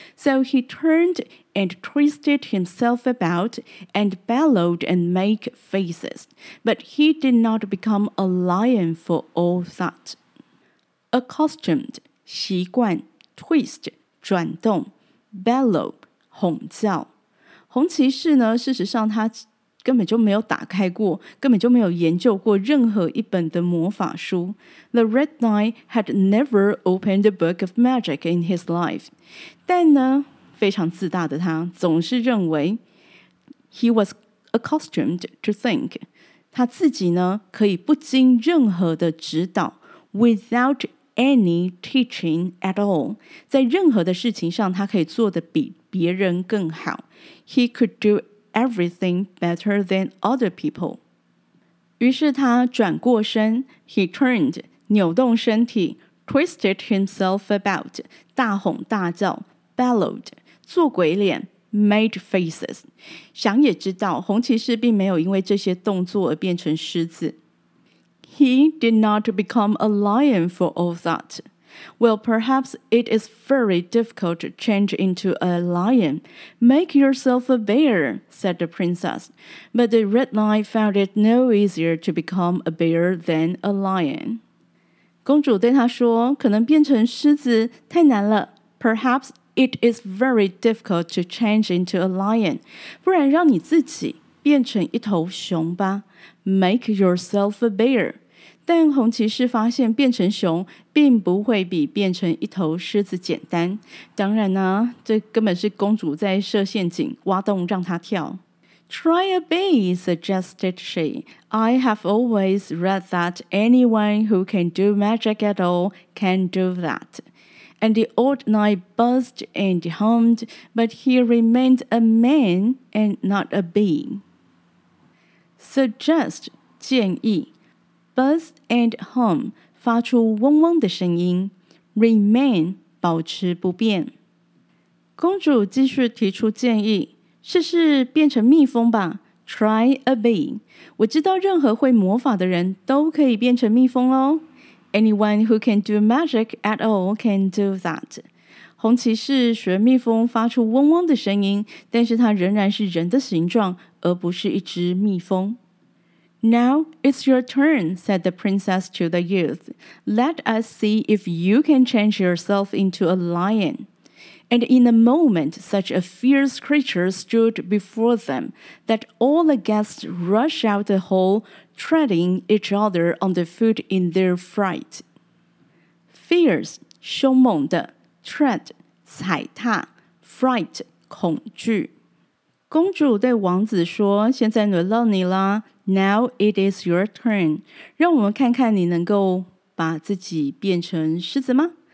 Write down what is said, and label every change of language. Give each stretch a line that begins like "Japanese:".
English: So he turned and twisted himself about and bellowed and made faces. But he did not become a lion for all that. Accustomed, 习惯 twist, 转动 bellow, 哄叫。
Chinese: 红骑士呢，事实上他根本就没有打开过，根本就没有研究过任何一本的魔法书。
English: The Red Knight had never opened a book of magic in his life.
Chinese: 但呢，非常自大的他总是认为
English: he was accustomed to think.
Chinese: 他自己呢，可以不经任何的指导
English: without any teaching at all
Chinese: 在任何的事情上他可以做得比别人更好
English: He could do everything better than other people.
Chinese: 于是他转过身
English: he turned,
Chinese: 扭动身体
English: twisted himself about,
Chinese: 大吼大叫 bellowed, 做鬼脸
English: made faces.
Chinese: 想也知道红骑士并没有因为这些动作而变成狮子。
English: He did not become a lion for all that. Well, perhaps it is very difficult to change into a lion. Make yourself a bear, said the princess. But the red knight found it no easier to become a bear than a lion.
Chinese: 公主对他说，可能变成狮子太难了。
English: Perhaps it is very difficult to change into a lion.
Chinese: 不然让你自己变成一头熊吧。
English: Make yourself a bear.
Chinese: 但红骑士发现变成熊并不会比变成一头狮子简单。当然啊，这根本是公主在设陷阱，挖洞让他跳。
English: Try a bee, suggested she. I have always read that anyone who can do magic at all can do that. And the old knight buzzed and hummed, but he remained a man and not a bee.
Chinese: Suggest, 建议 Buzz and hum, 发出嗡嗡的声音 Remain, 保持不变公主继续提出建议试试变成蜜蜂吧
English: Try a bee
Chinese: 我知道任何会魔法的人都可以变成蜜蜂哦 Anyone who can do magic at all can do that 红骑士学蜜蜂发出嗡嗡的声音但是它仍然是人的形状而不是一只蜜蜂。
English: Now it's your turn, said the princess to the youth. Let us see if you can change yourself into a lion. And in a moment, such a fierce creature stood before them that all the guests rushed out the hall, treading each other on the foot in their fright.
Chinese: Fierce, 凶猛的 tread, 踩踏 fright, 恐惧公主对王子说现在轮到你啦
English: Now it is your turn
Chinese: 让我们看看你能够把自己变成狮子吗